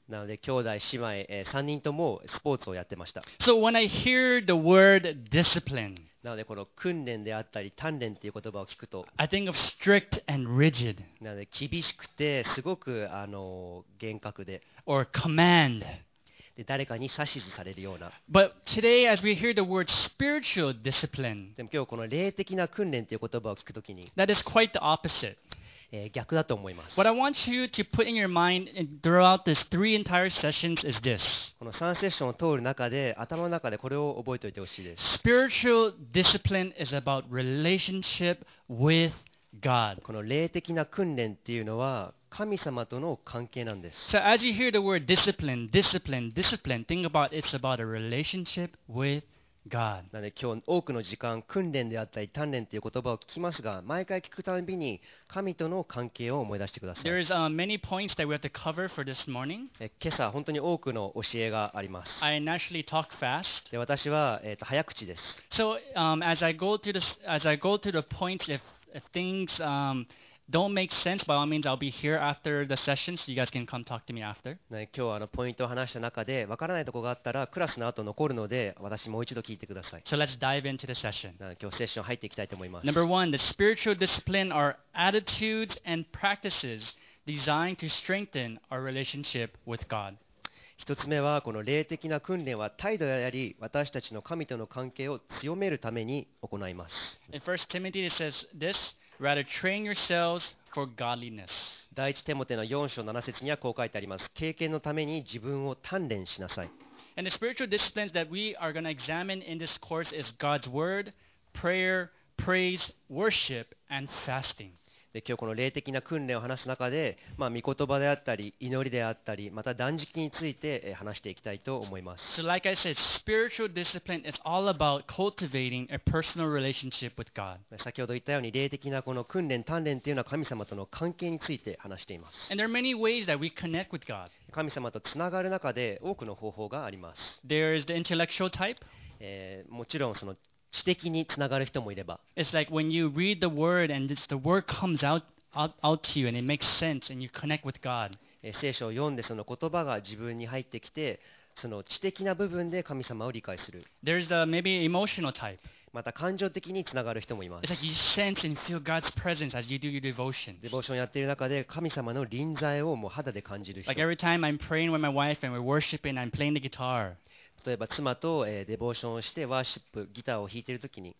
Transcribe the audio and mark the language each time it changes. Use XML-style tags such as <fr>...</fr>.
<ja>なので兄弟姉妹3人ともスポーツをやってました。</ja> <en>So when I hear the word discipline,</en> <ja>なのでこの訓練であったり鍛錬という言葉を聞くと、</ja> <en>I think of strict and rigid.</en> <ja>なので厳しくてすごく厳格で、</ja> <en>or command.</en> <ja>で誰かに指図されるような。</ja> <en>But today, as we hear the word spiritual discipline,</en> <ja>でも今日この霊的な訓練という言葉を聞くときに、</ja> <en>that is quite the opposite.</en> <ja>逆だと思います。</ja> <en>What I want you to put in your mind throughout this three entire sessions is this.</en> <ja>この3セッションを通る中で、頭の中でこれを覚えておいてほしいです。</ja> <en>Spiritual discipline is about relationship with God.</en> <ja>この霊的な訓練っていうのは、神様との関係なんです。</ja> <en>So as you hear the word discipline, discipline, discipline, think about it's about a relationship with God.</en> <ja>なので今日多くの時間訓練であったり鍛錬という言葉を聞きますが、毎回聞くたびに神との関係を思い出してください。</ja> <en>There is many points that we have to cover for this morning.</en> <ja>今朝本当に多くの教えがあります。</ja> <en>I naturally talk fast.</en> <ja>で私は早口です。</ja> <en>So as I go through the points, if things don't make sense, by all means, I'll be here after the session, so you guys can come talk to me after.</en> <ja>今日はポイントを話した中で、分からないところがあったら、クラスの後残るので、私もう一度聞いてください。</ja> <en>So let's dive into the session.</en> <ja>今日セッション入っていきたいと思います。</ja> <en>Number one, the spiritual discipline are attitudes and practices designed to strengthen our relationship with God.</en> <ja>一つ目はこの霊的な訓練は態度であり私たちの神との関係を強めるために行います。</ja> <en>In 1 Timothy it says this, rather train yourselves for godliness.</en> <ja>第一テモテの4章7節にはこう書いてあります。経験のために自分を鍛錬しなさい。</ja> <en>And the spiritual disciplines that we are going to examine in this course is God's word, prayer, praise, worship, and fasting.</en> <ja>で今日この霊的な訓練を話す中で、まあ、御言葉であったり祈りであったりまた断食について話していきたいと思います。</ja> <en>So like I said, spiritual discipline is all about cultivating a personal relationship with God.</en> <ja>先ほど言ったように霊的なこの訓練鍛錬というのは神様との関係について話しています。</ja> <en>And there are many ways that we connect with God.</en> <ja>神様とつながる中で多くの方法があります。</ja> <en>There is the intellectual type.</en> <ja>もちろんその知的につながる人もいれば、</ja> <en>It's like when you read the word and the word comes out to you and it makes sense and you connect with God.</en> <ja>聖書を読んでその言葉が自分に入ってきて、その知的な部分で神様を理解する。</ja> <en>There's the maybe emotional type.</en> <ja>また感情的につながる人もいます。</ja> <en>It's like you sense and feel God's presence as you do your devotion.</en> <ja>デボーションやっている中で神様の臨在をもう肌で感じる人。</ja> <en>Like every time I'm praying with my wife and we're worshiping, I'm playing the guitar.</en> <ja>例えば妻とデボーションをしてワーシップギターを弾いているときに</ja>